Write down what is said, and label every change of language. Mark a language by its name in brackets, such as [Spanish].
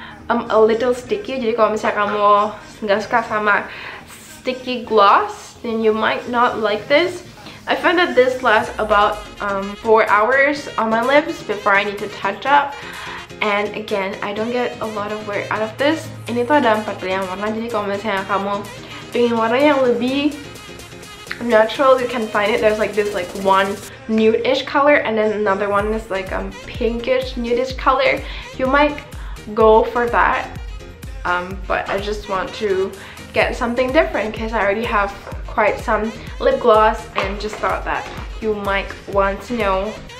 [English] A little sticky. [Indonesian] Jadi kalau misalnya kamu nggak suka sama [English] sticky gloss, then you might not like this. I find that this lasts about 4 hours on my lips before I need to touch up. And again, I don't get a lot of wear out of this. [Indonesian] Ini tuh ada 4 pilihan warna, jadi kalau misalnya kamu pengen warna yang lebih natural, [English] you can find it. There's like this like one nude-ish color and then another one is like a pinkish nude-ish color. You might go for that, but I just want to get something different because I already have quite some lip gloss and just thought that you might want to know